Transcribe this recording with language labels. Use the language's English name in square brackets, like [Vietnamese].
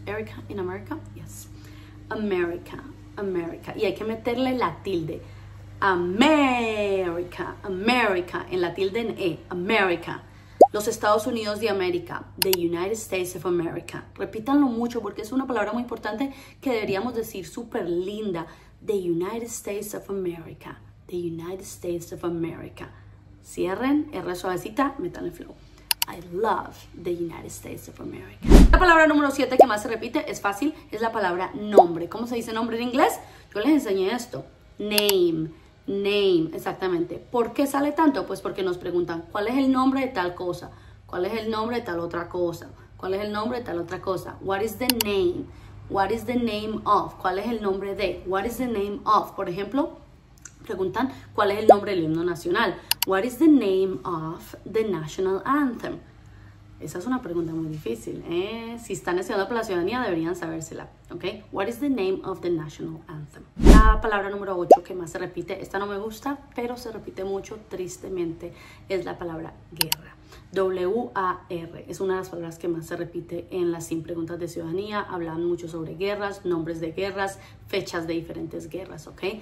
[Spanish] Erika en América, yes. America, America. Y hay que meterle la tilde. America, America, en la tilde en E, America. Los Estados Unidos de América, [English] the United States of America. [Spanish] Repítanlo mucho porque es una palabra muy importante que deberíamos decir súper linda. [English] The United States of America, the United States of America. [Spanish] Cierren, R suavecita, metan el flow. [English] I love the United States of America. [Spanish] La palabra número 7 que más se repite, es fácil, es la palabra nombre. ¿Cómo se dice nombre en inglés? Yo les enseñé esto, name. Name, exactamente. ¿Por qué sale tanto? Pues porque nos preguntan, ¿cuál es el nombre de tal cosa? ¿Cuál es el nombre de tal otra cosa? ¿Cuál es el nombre de tal otra cosa? [English] What is the name? What is the name of? [Spanish] ¿Cuál es el nombre de? [English] What is the name of? [Spanish] Por ejemplo, preguntan, ¿cuál es el nombre del himno nacional? [English] What is the name of the national anthem? [Spanish] Esa es una pregunta muy difícil, ¿eh? Si están estudiando por la ciudadanía, deberían sabérsela, ¿ok? [English] What is the name of the national anthem? [Spanish] La palabra número 8 que más se repite, esta no me gusta, pero se repite mucho, tristemente, es la palabra guerra. W-A-R, es una de las palabras que más se repite en las 100 preguntas de ciudadanía. Hablan mucho sobre guerras, nombres de guerras, fechas de diferentes guerras, ¿ok?